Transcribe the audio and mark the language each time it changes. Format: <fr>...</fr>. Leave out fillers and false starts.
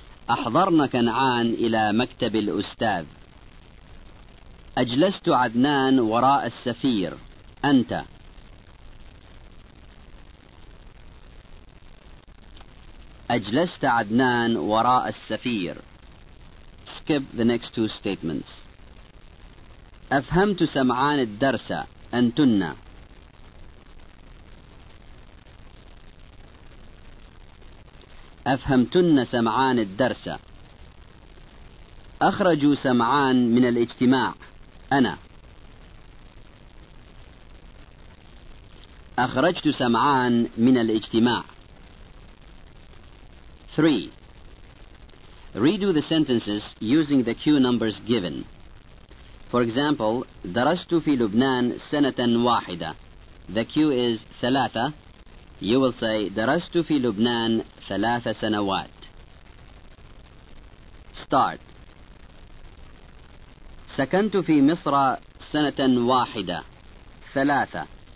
<ar>أحضرنا كنعان إلى مكتب الأستاذ. أجلست عدنان وراء السفير أنت. أجلست عدنان وراء السفير.</ar> <en>Skip the next two statements.</en> <ar>أفهمت سمعان الدرس أنتن. أفهمتن سمعان الدرس. أخرجوا سمعان من الاجتماع أنا. أخرجت سمعان من الاجتماع.</ar> <en>3. Redo the sentences using the cue numbers given. For example,</en> <ar>درست في لبنان سنة واحدة.</ar> <en>The cue is ثلاثة. You will say</en> <ar>درست في لبنان ثلاث سنوات.</ar> <en>Start.</en> <ar>سكنت في مصر سنة واحدة ثلاثة.</ar>